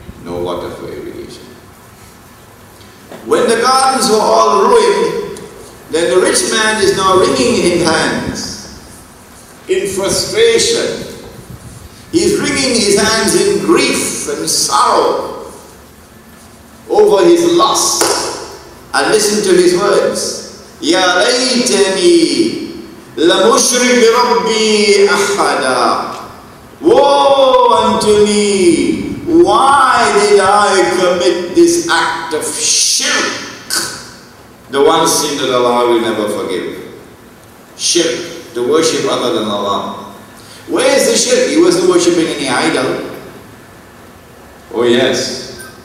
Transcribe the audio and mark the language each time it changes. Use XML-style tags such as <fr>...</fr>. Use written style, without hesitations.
<en>No water for irrigation. When the gardens were all ruined, then the rich man is now wringing his hands in frustration. He's wringing his hands in grief and sorrow over his loss. And listen to his words.</en> <ar>Ya laytani لَمُشْرِكْ بِرَبِّي أَحَدًا.</ar> <en>Woe unto me! Why did I commit this act of shirk? The one sin that Allah will never forgive. Shirk, the worship other than Allah. Where is the shirk? He wasn't worshipping any idol. Oh yes.</en>